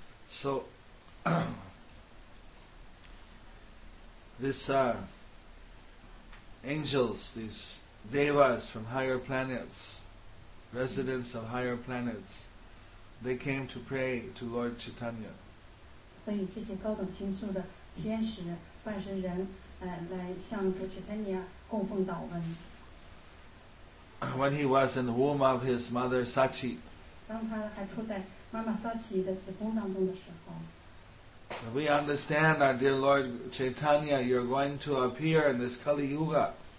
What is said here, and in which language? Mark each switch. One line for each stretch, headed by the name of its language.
English: So, these angels, these devas from higher planets, residents of higher planets, they came to pray to Lord Chaitanya. So, these
Chinese: 高等星宿的天使、半神人，来向主 Chaitanya 供奉祷文。
English: When he was in the womb of his mother Sachi.
Chinese: 当他还处在妈妈萨奇的子宫当中的时候。
English: We understand, our dear Lord Chaitanya, you're going to appear in this Kali Yuga.